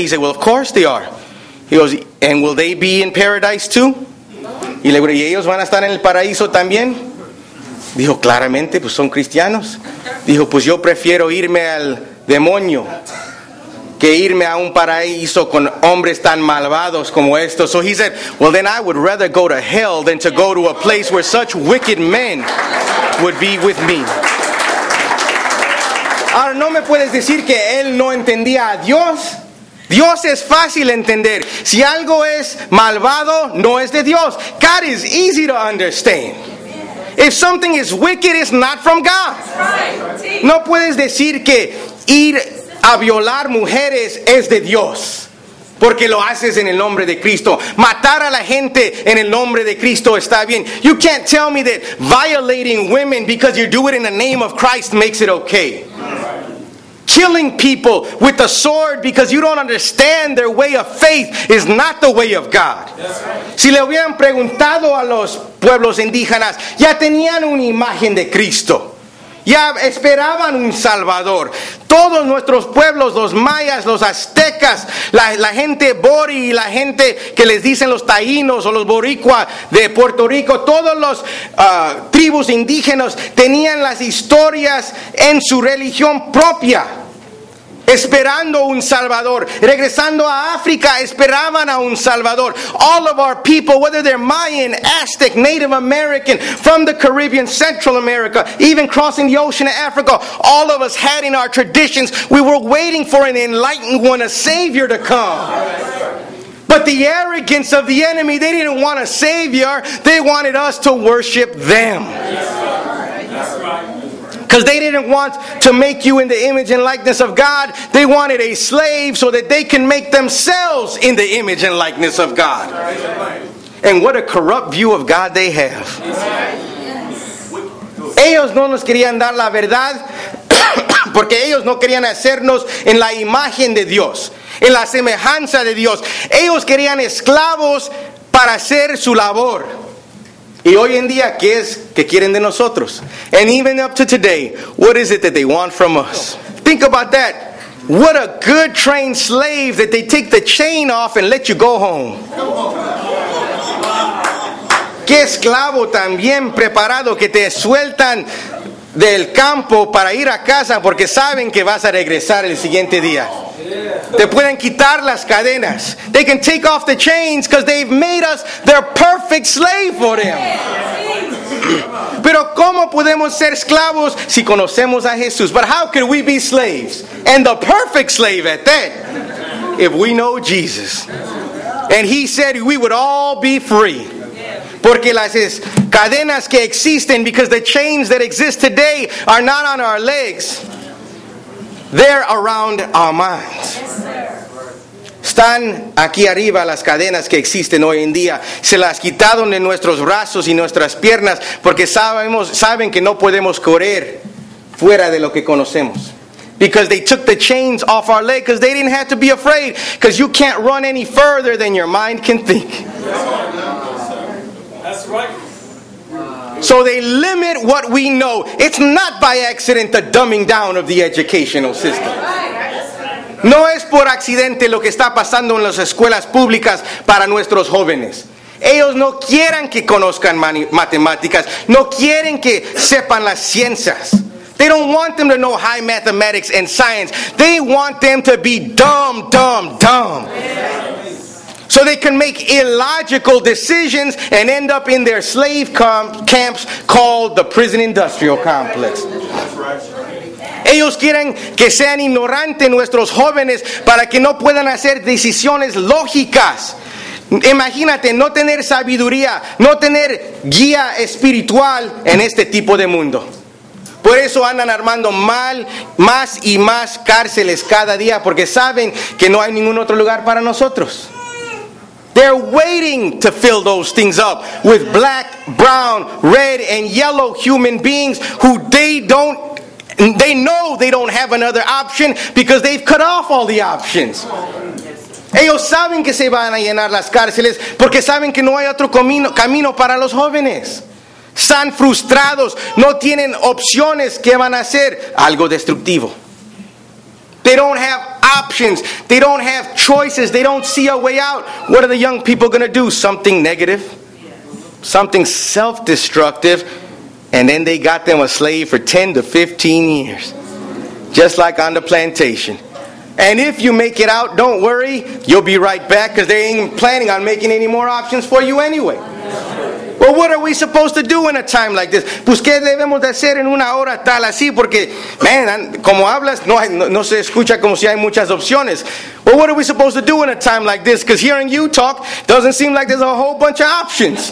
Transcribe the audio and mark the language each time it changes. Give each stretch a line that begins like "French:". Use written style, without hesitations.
English: He said, well, of course they are. He goes, and will they be in paradise too?
Spanish: Y le dijo, ¿y ellos van a estar en el paraíso también? Dijo, claramente, pues son cristianos. Dijo, pues yo prefiero irme al demonio que irme a un paraíso con hombres tan malvados como estos.
English: So he said, well, then I would rather go to hell than to go to a place where such wicked men would be with me.
Spanish: Ahora, no me puedes decir que él no entendía a Dios. Dios es fácil entender. Si algo es malvado, no es de Dios.
English: God is easy to understand. If something is wicked, it's not from God.
Spanish: No puedes decir que ir a violar mujeres es de Dios, porque lo haces en el nombre de Cristo. Matar a la gente en el nombre de Cristo está bien.
English: You can't tell me that violating women because you do it in the name of Christ makes it okay. Killing people with a sword because you don't understand their way of faith is not the way of God.
Spanish: Si le hubieran preguntado a los pueblos indígenas, ya tenían una imagen de Cristo. Ya esperaban un Salvador. Todos nuestros pueblos, los mayas, los aztecas, la gente bori y la gente que les dicen los taínos o los boricua de Puerto Rico, todos los tribus indígenas tenían las historias en su religión propia, esperando un Salvador. Regresando a África, esperaban a un Salvador.
English: All of our people, whether they're Mayan, Aztec, Native American, from the Caribbean, Central America, even crossing the ocean to Africa, all of us had in our traditions, we were waiting for an enlightened one, a Savior to come. But the arrogance of the enemy, they didn't want a Savior, they wanted us to worship them. Because they didn't want to make you in the image and likeness of God. They wanted a slave so that they can make themselves in the image and likeness of God. And what a corrupt view of God they have.
Spanish: Ellos no nos querían dar la verdad porque ellos no querían hacernos en la imagen de Dios, en la semejanza de Dios. Ellos querían esclavos para hacer su labor. Y hoy en día, ¿qué es que quieren de nosotros?
English: And even up to today, what is it that they want from us? Think about that. What a good trained slave that they take the chain off and let you go home.
Spanish: Qué esclavo tan bien preparado que te sueltan del campo para ir a casa porque saben que vas a regresar el siguiente día. Te pueden quitar las cadenas.
English: They can take off the chains because they've made us their perfect slave for them.
Spanish: Pero ¿cómo podemos ser esclavos si conocemos a Jesús?
English: But how can we be slaves? And the perfect slave at that. If we know Jesus. And he said we would all be free.
Spanish: Porque las cadenas que existen,
English: because the chains that exist today are not on our legs. They're around our minds.
Spanish: Están aquí arriba las cadenas que existen hoy en día. Se las quitaron de nuestros brazos y nuestras piernas porque saben que no podemos correr fuera de lo que conocemos.
English: because they took the chains off our leg because they didn't have to be afraid, because you can't run any further than your mind can think. That's right. So they limit what we know. It's not by accident the dumbing down of the educational system.
Spanish: No es por accidente lo que está pasando en las escuelas públicas para nuestros jóvenes. Ellos no quieran que conozcan matemáticas. No quieren que sepan las ciencias.
English: They don't want them to know high mathematics and science. They want them to be dumb, dumb, dumb. So they can make illogical decisions and end up in their slave camps called the prison industrial complex.
Spanish: Ellos quieren que sean ignorantes nuestros jóvenes para que no puedan hacer decisiones lógicas. Imagínate no tener sabiduría, no tener guía espiritual en este tipo de mundo. Por eso andan armando mal, más y más cárceles cada día, porque saben que no hay ningún otro lugar para nosotros.
English: They're waiting to fill those things up with black, brown, red, and yellow human beings who they know they don't have another option because they've cut off all the options.
Spanish: Ellos saben que se van a llenar las cárceles porque saben que no hay otro camino para los jóvenes. Están frustrados, no tienen opciones. ¿Qué van a hacer? Algo destructivo.
English: They don't have options. They don't have choices. They don't see a way out. What are the young people going to do? Something negative. Something self-destructive. And then they got them a slave for 10 to 15 years. Just like on the plantation. And if you make it out, don't worry. You'll be right back because they ain't planning on making any more options for you anyway. Well, what are we supposed to do in a time like this?
Spanish: Pues, ¿qué debemos de hacer en una hora tal así? Porque, man, como hablas, no se escucha como si hay muchas opciones.
English: Well, what are we supposed to do in a time like this? Because hearing you talk doesn't seem like there's a whole bunch of options.